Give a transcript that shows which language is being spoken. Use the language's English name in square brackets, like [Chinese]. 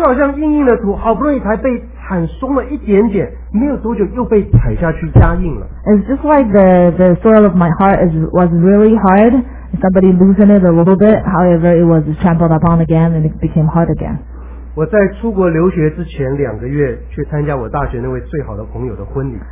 [Chinese] 就好像硬硬的土，好不容易才被铲松了一点点，没有多久又被踩下去压硬了。 [English] It's just like the soil of my heart was really hard. Somebody loosened it a little bit. However, it was trampled upon again and it became hard again. [Chinese] 我在出国留学之前两个月去参加我大学那位最好的朋友的婚礼。